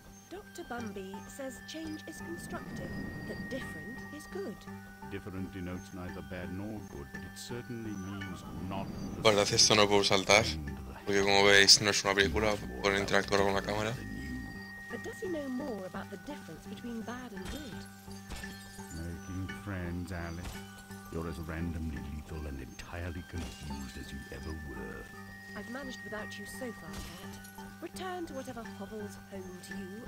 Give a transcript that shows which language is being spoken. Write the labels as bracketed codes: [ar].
[en] Dr. Bumby says change is constructive, that different is good. Different denotes neither bad nor good. It certainly means not. [es] Bueno, gracias, esto no lo puedo saltar. Porque como veis, no es una película, pueden interactuar con la cámara. [en] But does he know more about the difference between bad and good? Making friends, Alice. You're as randomly lethal and entirely confused as you ever were. I've managed without you so far, Cat. Return to whatever hovels home to you.